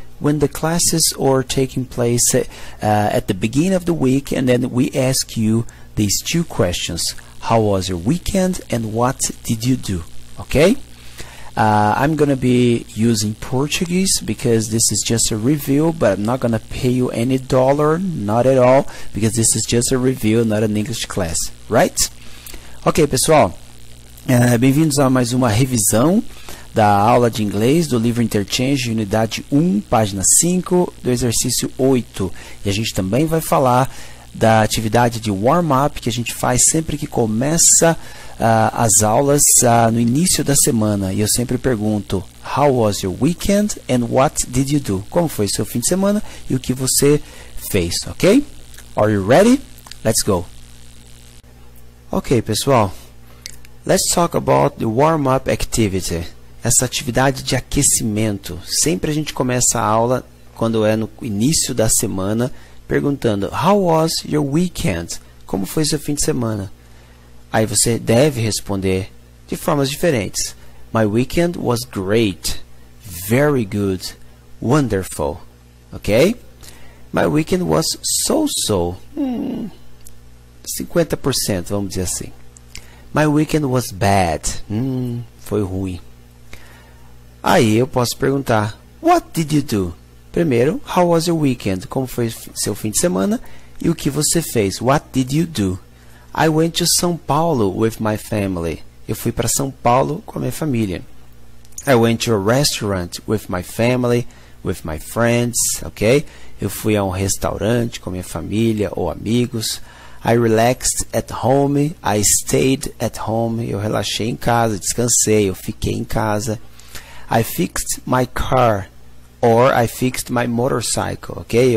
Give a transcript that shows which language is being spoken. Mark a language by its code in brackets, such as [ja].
[en] When the classes are taking place at the beginning of the week, and then we ask you these two questions: how was your weekend and what did you do? Okay, I'm gonna be using Portuguese because this is just a review, but I'm not gonna pay you any dollar, not at all, because this is just a review, not an English class, right? [pt] Okay, pessoal, bem-vindos a mais uma revisão da aula de inglês do livro Interchange, unidade 1, página 5, do exercício 8. E a gente também vai falar da atividade de warm-up que a gente faz sempre que começa as aulas no início da semana. E eu sempre pergunto: [en] how was your weekend and what did you do? [pt] Como foi seu fim de semana e o que você fez, ok? [en] Are you ready? Let's go! Ok, pessoal, let's talk about the warm-up activity. [pt] Essa atividade de aquecimento, sempre a gente começa a aula, quando é no início da semana, perguntando: [en] how was your weekend? [pt] Como foi seu fim de semana? Aí você deve responder de formas diferentes: [en] my weekend was great, very good, wonderful, ok? My weekend was so-so, 50%, [pt] vamos dizer assim. [en] My weekend was bad, [pt] foi ruim. Aí eu posso perguntar: [en] what did you do? [pt] Primeiro, [en] how was your weekend? [pt] Como foi seu fim de semana? E o que você fez? [en] What did you do? I went to São Paulo with my family. [pt] Eu fui para São Paulo com a minha família. [en] I went to a restaurant with my family, with my friends, ok? [pt] Eu fui a restaurante com minha família ou amigos. [en] I relaxed at home. I stayed at home. [pt] Eu relaxei em casa, descansei, eu fiquei em casa. [en] I fixed my car, or I fixed my motorcycle, ok?